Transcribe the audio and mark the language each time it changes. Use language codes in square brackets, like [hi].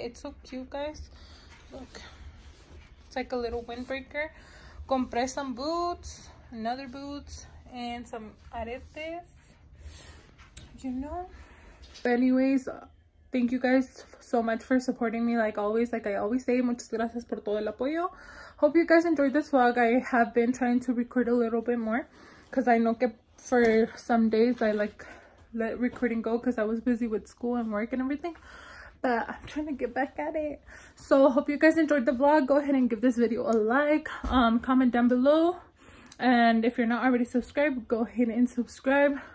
[en] It's so cute, guys. Look, it's like a little windbreaker. Compré some boots, another boots, and some aretes. You know, but anyways, thank you guys so much for supporting me, like always. Like I always say, [es] muchas gracias por todo el apoyo. [en] Hope you guys enjoyed this vlog. I have been trying to record a little bit more because I know that for some days I like let recording go because I was busy with school and work and everything, but I'm trying to get back at it. So hope you guys enjoyed the vlog. Go ahead and give this video a like, comment down below, and if you're not already subscribed, go ahead and subscribe.